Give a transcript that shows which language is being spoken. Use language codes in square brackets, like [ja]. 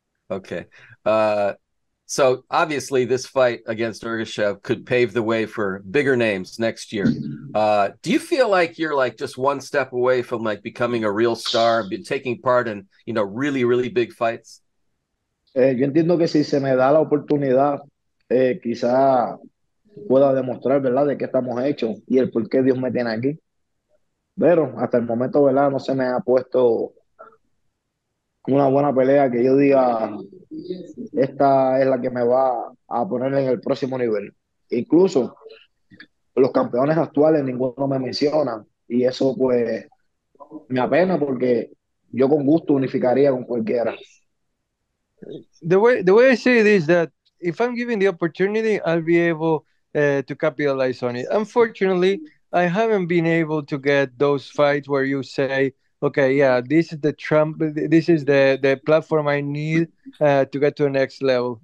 [en] Okay. So, obviously, this fight against Ergashev could pave the way for bigger names next year. Do you feel like you're, like, just one step away from, like, becoming a real star, taking part in, you know, really, really big fights? [es] Yo entiendo que si se me da la oportunidad, quizá pueda demostrar, ¿verdad?, de qué estamos hechos y el por qué Dios me tiene aquí. Pero hasta el momento, ¿verdad?, no se me ha puesto una buena pelea que yo diga, esta es la que me va a poner en el próximo nivel. Incluso los campeones actuales, ninguno me menciona. Y eso, pues, me apena porque yo con gusto unificaría con cualquiera. [en] The way I say it is that if I'm given the opportunity, I'll be able to capitalize on it. Unfortunately, I haven't been able to get those fights where you say, okay, yeah, this is the Trump, this is the platform I need to get to the next level.